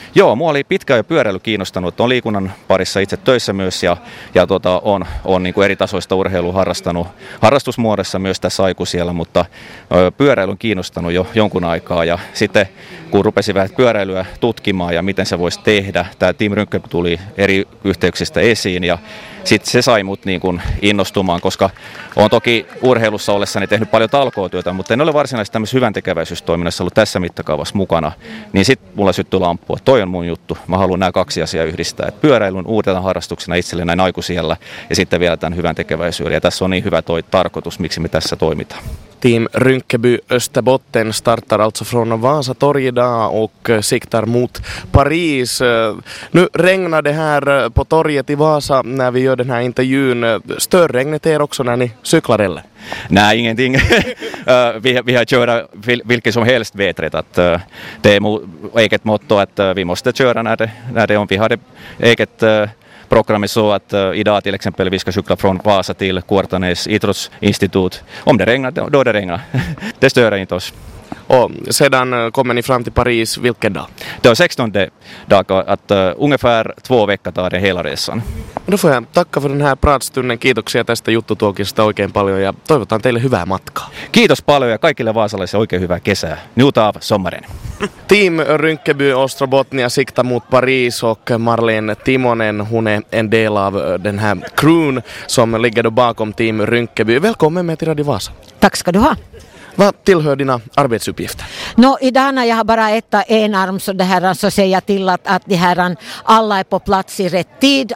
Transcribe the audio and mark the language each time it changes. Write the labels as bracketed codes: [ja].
[fi] Joo, mua oli pitkään jo pyöräily kiinnostanut, että olen liikunnan parissa itse töissä myös ja olen niin kuin eri tasoista urheilua harrastanut harrastusmuodossa myös tässä aikuisiellä, mutta pyöräily on kiinnostanut jo jonkun aikaa ja sitten kun rupesin vähän pyöräilyä tutkimaan ja miten se voisi tehdä, tämä Team Rynkeby tuli eri yhteyksistä esiin ja sitten se sai mut niin kuin innostumaan, koska olen toki urheilussa ollessani tehnyt paljon talkootyötä, mutta en ole varsinaisesti tämmöisessä hyväntekeväisyystoiminnassa ollut tässä mittakaavassa mukana. Niin sitten mulla syttyi lamppu, että toi on mun juttu. Mä haluan nämä kaksi asiaa yhdistää. Et pyöräilun uutena harrastuksena itselleen näin aikuisiellä ja sitten vielä tämän hyväntekeväisyyden. Ja tässä on niin hyvä toi tarkoitus, miksi me tässä toimitaan. [sv] Team Rynkeby Österbotten startar alltså från Vasa torg idag och siktar mot Paris. Nu regnar det här på torget i Vasa när vi gör den här intervjun. Stör regnet er också när ni cyklar eller? Nej, ingenting. vi har köra vilket som helst vetret. Att, det är eget motto att vi måste köra när det om vi har det eget... Programmet så att idag till exempel vi ska cykla från Vasa till Kuortanes idrottsinstitut. Om det regnar, då det regnar. Det stör inte oss. Och sedan kommer ni fram till Paris vilken dag? Det är 16 dag, att ungefär 2 veckor tar det hela resan. Då får jag tacka för den här pratstunden. [fi] Kiitoksia tästä juttutuokista oikein paljon ja toivotan teille hyvää matkaa. Kiitos paljon ja kaikille vaasalaisille oikein hyvää kesää. [sv] Njut av sommaren. Team Rynkeby Ostrobotnia siktar mot Paris och Marlene Timonen, hon är en del av den här crewn som ligger bakom Team Rynkeby. Välkommen med till Radio Vasa. Tack ska du ha. Vad tillhör dina arbetsuppgifter? No, idag när jag har bara en arm så, det här, så säger jag till att det här, alla är på plats i rätt tid.